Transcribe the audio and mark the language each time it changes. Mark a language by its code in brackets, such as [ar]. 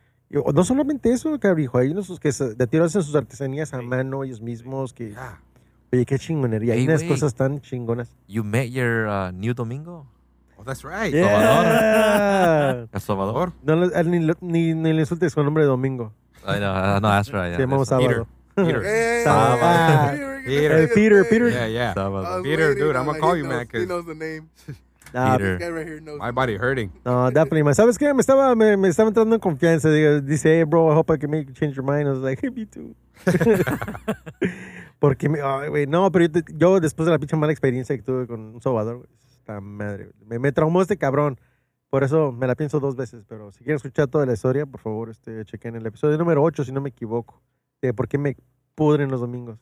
[es] Yo, no solamente eso, cabrijo, hay unos que de tiro hacen sus artesanías a mano ellos mismos, que... Ah. Oye, qué chingonería, hay unas cosas tan chingonas. [en] You met your new Domingo? Oh, that's right. Yeah. Salvador. El Salvador. [es] No, ni le insultes con el nombre de Domingo. [en] No, that's right. Yeah, [es] sí, vamos a Salvador. [en] Peter. Salvador. Peter. Peter, dude, I'm going to call you, man. He knows the name. Nah, Peter. This guy right here knows. My body hurting. No, definitely. Man. [es] ¿Sabes qué? Me estaba entrando en confianza. Dice, [en] hey, bro, I hope I can make you change your mind. I was like, hey, me too. [es] Porque, güey, no, pero yo después de la pinche mala experiencia que tuve con un sobador, esta madre, me traumó este cabrón. Por eso me la pienso dos veces, pero si quieren escuchar toda la historia, por favor, chequen el episodio número 8, si no me equivoco, de por qué me pudren los domingos.